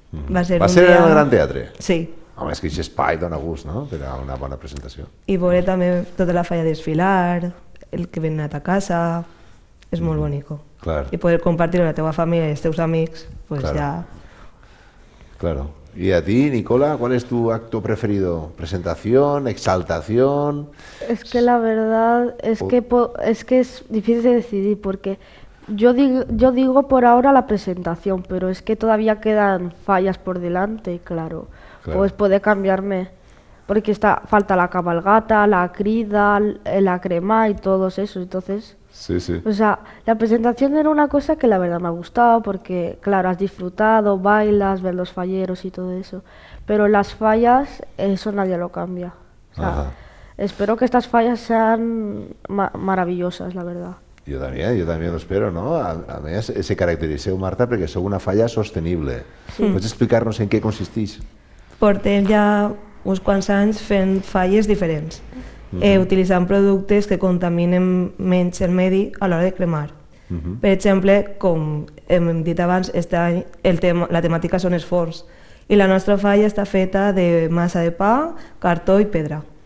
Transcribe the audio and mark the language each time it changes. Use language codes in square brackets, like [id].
[ca] Va ser, en el Gran Teatre? Sí. Home, és que aquest espai dona gust, no? Per a una bona presentació. I veure també tota la falla desfilar, el que ven a ta casa, és molt bonic. Clar. I poder compartir amb la teva família i els teus amics, pues [es] claro. [ca] Ja... [es] Claro. Y a ti, Nicola, ¿cuál es tu acto preferido? ¿Presentación? ¿Exaltación? Es que la verdad es que es difícil de decidir porque yo digo por ahora la presentación, pero es que todavía quedan fallas por delante, claro. Claro. Pues puede cambiarme porque falta la cabalgata, la crida, la crema y todos esos, entonces... Sí, sí. O sea, la presentación era una cosa que la verdad me ha gustado porque, claro, has disfrutado, bailas, ver los falleros y todo eso. Pero las fallas, eso nadie lo cambia. O sea, espero que estas fallas sean maravillosas, la verdad. Yo también lo espero, ¿no? A mí se caracteriza, Marta, porque soy una falla sostenible. Sí. ¿Puedes explicarnos en qué consistís? Porté ya unos cuantos años [ca] fent falles [es] diferentes. [ca] Utilitzant productes que contaminen menys el medi a l'hora de cremar. Per exemple, com hem dit abans, este any la temàtica són els forns i la nostra falla està feta de massa de pa, cartó i pedra.